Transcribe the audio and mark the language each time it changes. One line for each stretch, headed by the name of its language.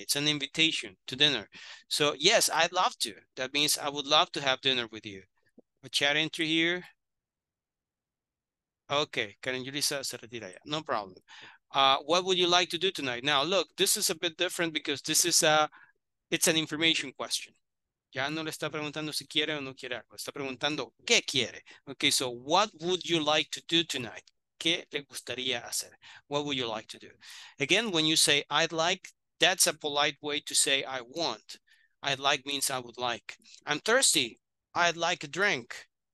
English: It's an invitation to dinner. So yes, I'd love to. That means I would love to have dinner with you. A chat entry here. Okay, Karen Julissa
Spanish: se retira ya.
English: No problem. What would you like to do tonight? Now, look, this is a bit different because this is it's an information question.
Spanish: Ya no le está preguntando si quiere o no quiere algo. Está preguntando qué quiere.
English: Okay, so what would you like to do tonight?
Spanish: ¿Qué le gustaría hacer?
English: What would you like to do? Again, when you say I'd like, that's a polite way to say I want. I'd like means I would like. I'm thirsty. I'd like a drink.